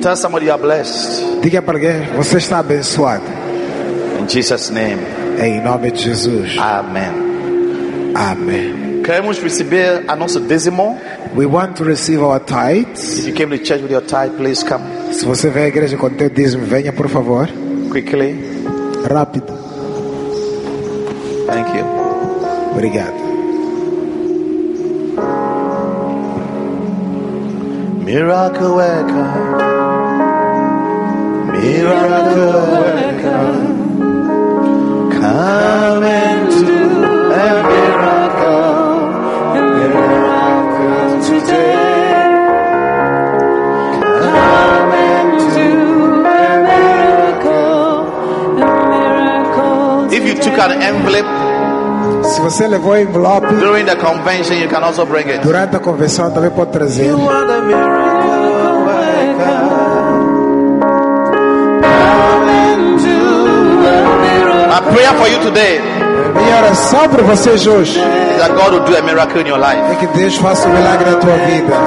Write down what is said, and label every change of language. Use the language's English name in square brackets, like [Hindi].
[English] Tell somebody you are blessed. [Portuguese] Diga para alguém, você está abençoado. [English] In Jesus' name. [Portuguese] Em nome de Jesus. Amen. Amen. Queremos receber a nosso dízimo. [English] We want to receive our tithes. If you came to church with your tithe, please come. [Portuguese] Se você vem à igreja com teu dízimo, venha por favor. [English] Quickly. [Portuguese] Rápido. [English] Thank you. [Portuguese] Obrigado. [English] Miracle worker. Miracle worker. Come into a miracle. Took an envelope. [Portuguese] Se você levou o envelope [English] during the convention, you can also bring it. [Portuguese] Durante a convenção também pode trazer. [English] You want a miracle worker. Come into a miracle. My prayer for you today. [Portuguese] Minha oração para você hoje. [English] Is that God will do a miracle in your life. [Portuguese] É que Deus faça milagre na tua vida.